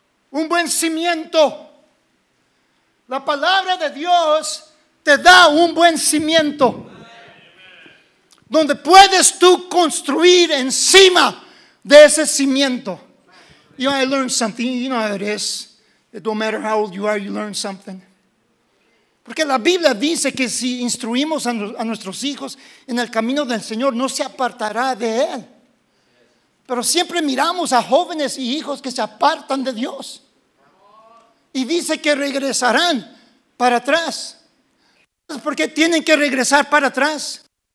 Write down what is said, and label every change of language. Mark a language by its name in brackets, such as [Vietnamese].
[Spanish] Un buen cimiento. La palabra de Dios te da un buen cimiento. Donde puedes tú construir encima de ese cimiento. [English] You know, I learned something. You know how it is. It don't matter how old you are, you learn something. [Spanish] Porque la Biblia dice que si instruimos a nuestros hijos en el camino del Señor, no se apartará de Él. Pero siempre miramos a jóvenes y hijos que se apartan de Dios. Y dice que regresarán para atrás. ¿Por qué tienen que regresar para atrás?